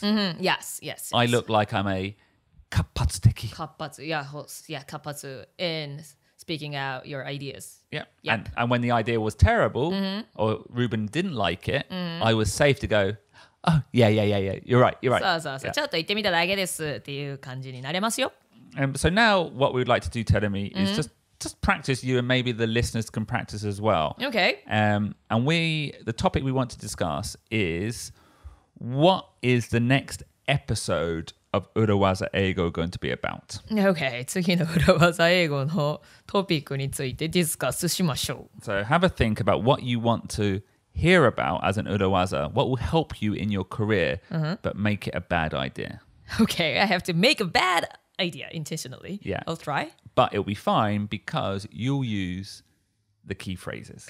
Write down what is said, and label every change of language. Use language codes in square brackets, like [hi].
[en] Yes. I look like I'm a 活発的. 活発, yeah, 活発 in speaking out your ideas. Yeah. Yep. And when the idea was terrible or Ruben didn't like it, I was safe to go,oh, yeah. You're right. So. [ja] ちょっと言ってみただけですっていう感じになれますよ。 [en] So now what we'd like to do, Terumi, is just practice you and maybe the listeners can practice as well. Okay. And the topic we want to discuss is what is the next episode of 裏技英語 going to be about? [ja] Okay, 次の裏技英語のトピックについてディスカスしましょう。 [en] So have a think about what you want to hear about as an 裏技, what will help you in your career, but make it a bad idea. Okay, I have to make a bad idea intentionally. Yeah. I'll try. But it'll be fine because you'll use the key phrases.